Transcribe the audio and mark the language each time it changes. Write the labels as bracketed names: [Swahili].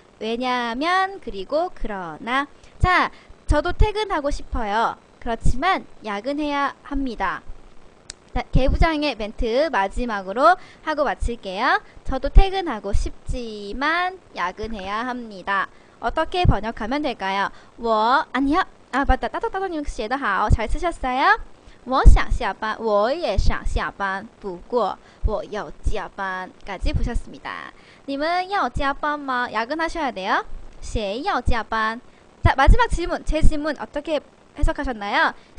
[Korean] 왜냐하면 그리고 그러나 자 저도 퇴근하고 싶어요. 그렇지만 야근해야 합니다. 자, 개부장의 멘트 마지막으로 하고 마칠게요. 저도 퇴근하고 싶지만 야근해야 합니다. 어떻게 번역하면 될까요? 我 아니요. 아 맞다. 따뜻따뜻님 [Chinese] 写得好. [Korean] 잘 쓰셨어요? [Chinese] 我想下班，我也想下班，不过我要加班。 [Korean] 까지 보셨습니다. 님은 [Chinese] 要加班吗？ [Korean] 야근하셔야 돼요. [Chinese] 谁要加班？ [Korean] 자, 마지막 질문, 제 질문 어떻게 해석하셨나요?